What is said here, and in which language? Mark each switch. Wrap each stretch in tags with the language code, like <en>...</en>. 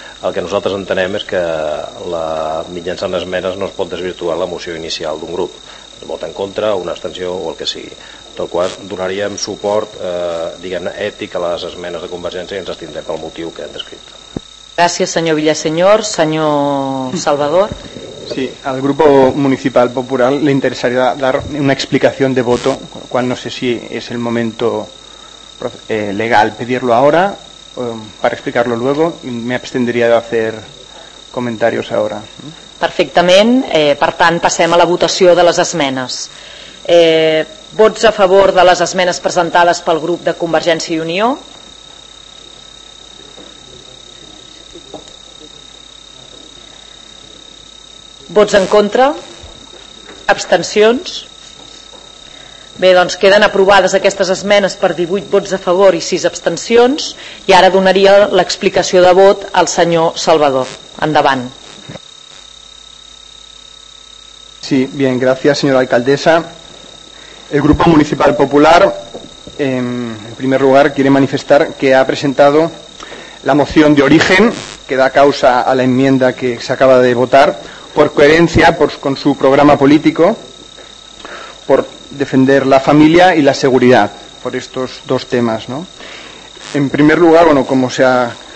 <ca>El que nosaltres entenem és que mitjançant esmenes no es pot desvirtuar la moció inicial d'un grup. Vot en contra, una abstenció o el que sigui. Tot quan donaríem suport ètic a les esmenes de Convergència i ens abstindrem pel motiu que han descrit. Gràcies, senyor Villasenyor. Senyor Salvador.</ca> <es>Sí, al Grupo Municipal Popular le interesaría dar una explicación de voto, cual no sé si es el momento legal pedirlo ahora o para explicarlo luego, y me abstendría de hacer comentarios ahora.</es> <ca>Perfectament. Per tant, passem a la votació de les esmenes. Vots a favor de les esmenes presentades pel grup de Convergència i Unió. Vots en contra? Abstencions? Bé, doncs queden aprovades aquestes esmenes per 18 vots a favor i 6 abstencions i ara donaria l'explicació de vot al senyor Salvador. Endavant.</ca> <es>Sí, bien, gracias, señora alcaldesa. El Grupo Municipal Popular, en primer lugar, quiere manifestar que ha presentado la moción de origen que da causa a la enmienda que se acaba de votar por coherencia con su programa político, por defender la familia y la seguridad, por estos dos temas, ¿no? En primer lugar, bueno, como se ha</es>